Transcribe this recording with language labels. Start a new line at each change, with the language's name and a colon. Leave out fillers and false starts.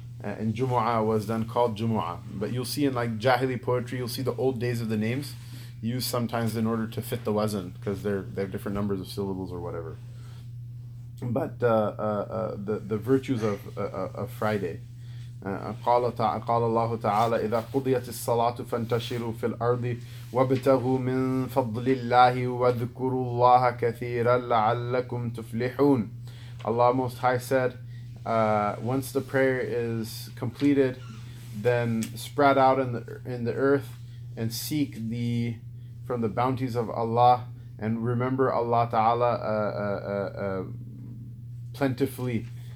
English: And Jumu'ah was then called Jumu'ah. But you'll see in like Jahili poetry, you'll see the old days of the names used sometimes in order to fit the wazan, because they have different numbers of syllables or whatever. But the virtues of Friday.
Arabic: قال الله تعالى إذا قضيت الصلاة فانتشروا في الأرض وابتغوا من فضل الله واذكروا الله كثيرا لعلكم تفلحون.
English: Allah Most High said, once the prayer is completed, then spread out in the earth and seek the from the bounties of Allah, and remember Allah Ta'ala plentifully.